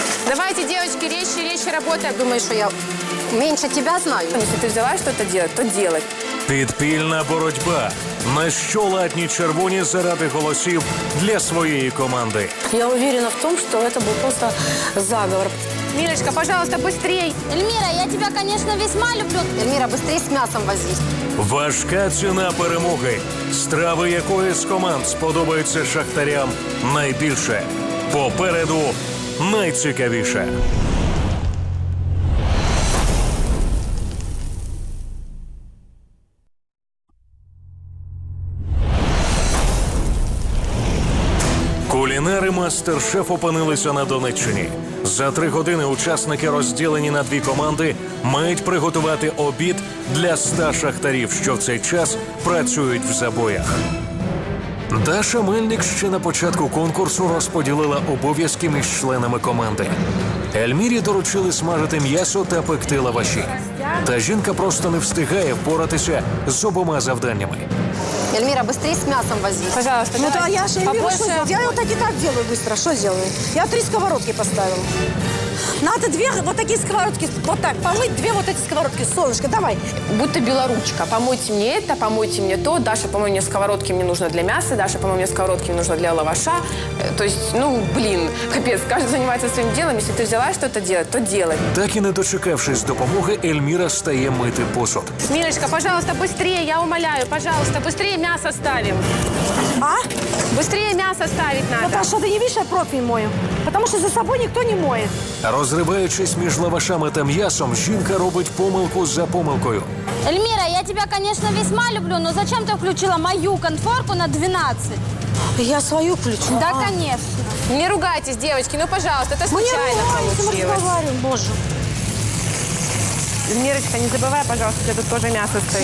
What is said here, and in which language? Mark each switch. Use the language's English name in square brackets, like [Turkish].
[Ukrainian] Давайте, дівчатки, речі, речі, роботи. Думаю, що я менше тебе знаю. Якщо ти взяла щось робити, то робити. Підпільна боротьба. На що латні червоні заради голосів для своєї команди? Я впевнена в тому, що це був просто заговор. [Russian] Мирочка, пожалуйста, быстрей. Эльмира, я тебя, конечно, весьма люблю. Эльмира, быстрей с мясом возись. [Ukrainian] Важка ціна перемоги. Страви якої з команд сподобаються шахтарям найбільше. Попереду найцікавіше. Кулінари «Мастер-шеф» опинилися на Донеччині. За 3 години учасники, розділені на 2 команди, мають приготувати обід для 100 шахтарів, що в цей час працюють в забоях. Даша Мельник ще на початку конкурсу розподілила обов'язки між членами команди. Ельмірі доручили смажити м'ясо та пекти лаваші. Та жінка просто не встигає впоратися з обома завданнями. [Russian] Эльмира, быстрее с мясом возьми. Пожалуйста. Ну да, я же, Эльмира, что сделаю? Я вот так и так делаю быстро. Что сделаю? Я 3 сковородки поставила. Надо 2 вот такие сковородки, вот так, помыть 2 вот эти сковородки. Солнышко, давай. Будто белоручка. Помойте мне это, помойте мне то. Даша, по-моему, мне сковородки мне нужно для мяса. Даша, по-моему, мне сковородки мне нужно для лаваша. То есть, ну, блин, капец, каждый занимается своим делом. Если ты взяла что-то делать, то делай. [Ukrainian] Так и не дочекавшись допомоги, Эльмира стає мити посуд. [Russian] Милочка, пожалуйста, быстрее, я умоляю, пожалуйста, быстрее мясо ставим. А? Быстрее мясо ставить надо. Это что, ты не видишь, я профиль мою? Потому что за собой никто не моет. [Ukrainian] Розриваючись між лавашами та м'ясом, жінка робить помилку за помилкою. [Russian] Эльмира, я тебя, конечно, весьма люблю, но зачем ты включила мою конфорку на 12? Я свою включу. Да, конечно. Не ругайтесь, девочки, ну, пожалуйста, это случайно получилось. Мы не ругаемся, мы разговариваем, боже. Эльмирочка, не забывай, пожалуйста, где тут тоже мясо стоит.